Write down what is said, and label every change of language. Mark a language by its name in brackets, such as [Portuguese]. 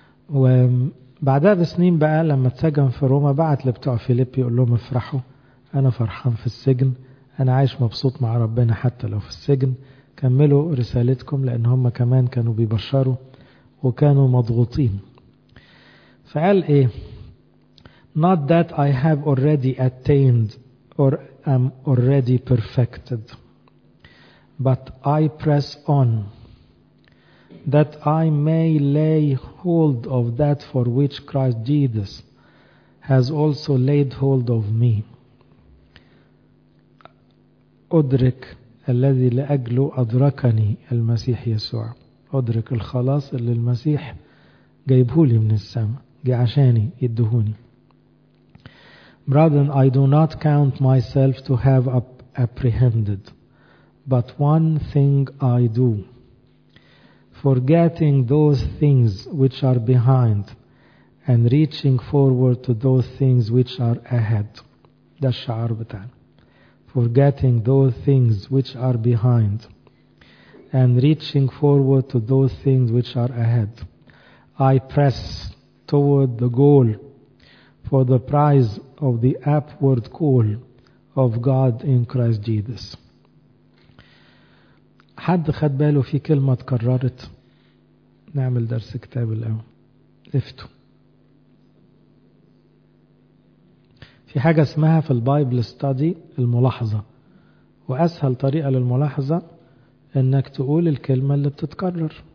[Arabic] وبعدها بسنين بقى لما تسجن في روما بعت لبتوع فيليبي يقول لهم افرحوا، انا فرحان في السجن، انا عايش مبسوط مع ربنا حتى لو في السجن، كملوا رسالتكم، لان هم كمان كانوا بيبشروا وكانوا مضغوطين. فقال ايه؟ [English] Not that I have already attained or am already perfected, but I press on that I may lay hold of that for which Christ Jesus has also laid hold of me. [Arabic] أدرك الذي لأجله أدركني المسيح يسوع. أدرك الخلاص اللي المسيح جايبهولي من السماء، جي عشاني يدهوني. [English] Brethren, I do not count myself to have apprehended, but one thing I do, forgetting those things which are behind and reaching forward to those things which are ahead. [Arabic] ده الشعار بتاعنا. [English] Forgetting those things which are behind and reaching forward to those things which are ahead. I press toward the goal for the prize of the upward call of God in Christ Jesus. [Arabic] حد خد باله في كلمة تكررت؟ نعمل درس كتاب الأول. افتوا، في حاجة اسمها في [English] البايبل ستادي [Arabic] الملاحظة، وأسهل طريقة للملاحظة أنك تقول الكلمة اللي بتتكرر.